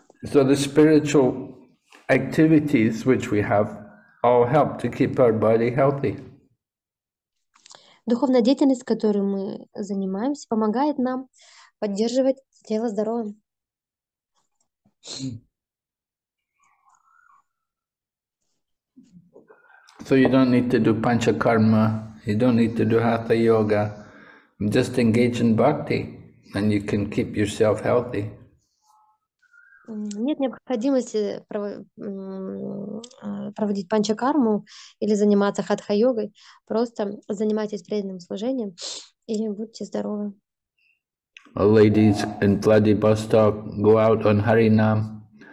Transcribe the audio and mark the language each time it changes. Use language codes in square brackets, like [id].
[en] So the spiritual activities which we have all help to keep our body healthy. [ru] Духовная деятельность, которой мы занимаемся, помогает нам поддерживать тело здоровым. [en] So you don't need to do panchakarma, you don't need to do hatha yoga. Just engage in bhakti and you can keep yourself healthy. [ru] Нет необходимости проводить панчакарму или заниматься хатха-йогой. Просто занимайтесь преданным служением и будьте здоровы. [en] Ladies in Vladivostok go out on Harinam.